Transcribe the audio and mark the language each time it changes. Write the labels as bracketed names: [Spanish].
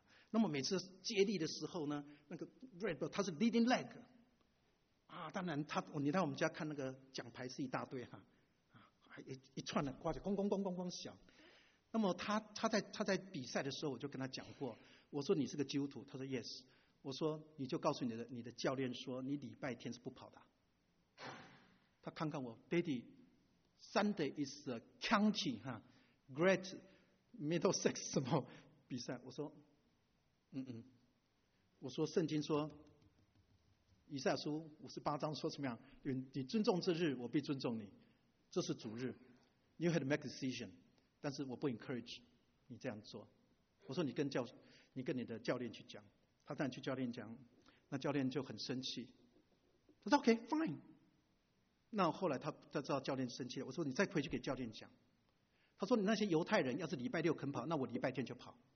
[Chinese] 那么每次接力的时候呢，那个 red belt 他是 leading leg 啊，当然他你到我们家看那个奖牌是一大堆哈，啊，一串的挂着，咣咣咣咣咣响。那么他在比赛的时候，我就跟他讲过，我说你是个基督徒，他说 yes， 我说你就告诉你的教练说你礼拜天是不跑的。 [English] 他看看我 ，Daddy， Sunday is a county 哈 ，Great Middlesex [Chinese] 什么比赛？我说。我说圣经说以赛亚书58章说什么样，你尊重这日我必尊重你，这是主日， [English] You had to make a decision， [Chinese] 但是我不 encourage 你这样做。我说你跟你的教练去讲，他当然去教练讲，那教练就很生气，他说 [English] OK fine， [Chinese] 那后来他知道教练生气了，我说你再回去给教练讲，他说你那些犹太人要是礼拜六肯跑，那我礼拜天就跑。